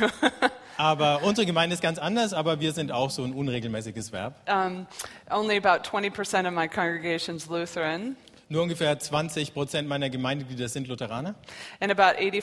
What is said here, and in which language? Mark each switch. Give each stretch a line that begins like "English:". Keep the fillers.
German: aber unsere Gemeinde ist ganz anders, aber wir sind auch so ein unregelmäßiges Verb.
English: Um, only about 20% of my congregation's Lutheran.
German: Nur ungefähr 20 Prozent meiner Gemeindeglieder sind Lutheraner.
English: And about